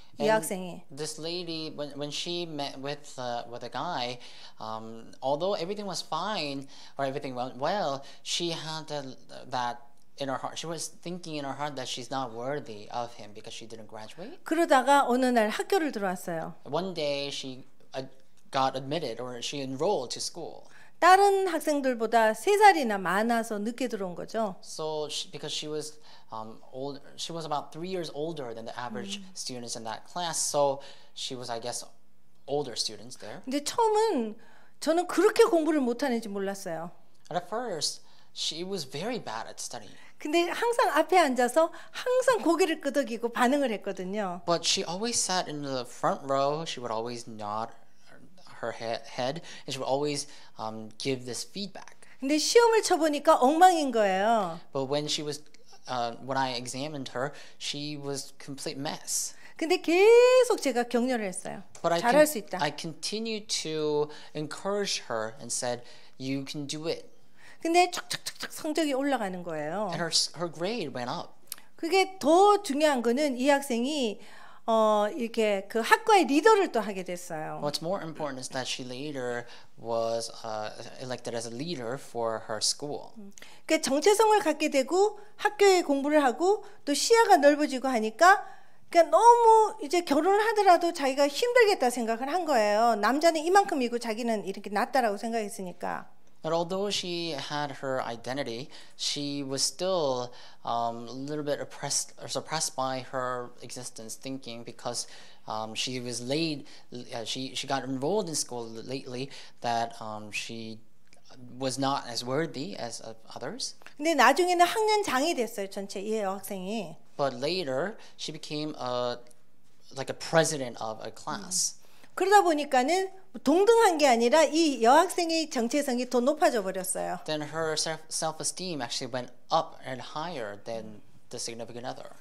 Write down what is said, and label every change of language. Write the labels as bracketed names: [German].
[Korean] 이 학생이. [English] This lady, when she met with a guy, although everything was fine or everything went well, she had that in her heart. She was thinking in her heart that she's not worthy of him because she didn't graduate. [Korean] 그러다가 어느 날 학교를 들어왔어요. [English] One day she got admitted or she enrolled to school. [Korean] 다른 학생들보다 세 살이나 많아서 늦게 들어온 거죠. [English] So because she was older, she was about 3 years older than the average students in that class. So she was, I guess, older students there. [Korean] 근데 처음은 저는 그렇게 공부를 못하는지 몰랐어요. [English] At first, she was very bad at studying. [Korean] 근데 항상 앞에 앉아서 항상 고개를 끄덕이고 반응을 했거든요. [English] But she always sat in the front row. She would always nod her head, and she would always give this feedback. [Korean] 근데 시험을 쳐보니까 엉망인 거예요. [English] But when she was, when I examined her, she was complete mess. [Korean] 근데 계속 제가 격려를 했어요. 잘할 수 있다. [English] I continued to encourage her and said, "You can do it." [Korean] 근데 촉촉촉촉 성적이 올라가는 거예요. [English] And her grade went up. [Korean] 그게 더 중요한 거는 이 학생이 이렇게 그 학과의 리더를 또 하게 됐어요. [English] What's more important is that she later was elected as a leader for her school. [Korean] 그 정체성을 갖게 되고 학교에 공부를 하고 또 시야가 넓어지고 하니까 너무 이제 결혼을 하더라도 자기가 힘들겠다 생각을 한 거예요. 남자는 이만큼이고 자기는 이렇게 낫다라고 생각했으니까. [English] But although she had her identity, she was still a little bit oppressed or suppressed by her existence, thinking because she was late, she got enrolled in school lately, that she was not as worthy as others. [Korean] 근데 나중에는 학년장이 됐어요, 전체 이 학생이. [English] But later, she became like a president of a class. [Korean] 그러다 보니까는 동등한 게 아니라 이 여학생의 정체성이 더 높아져 버렸어요. [English] Then her self-esteem actually went up and higher than the significant other.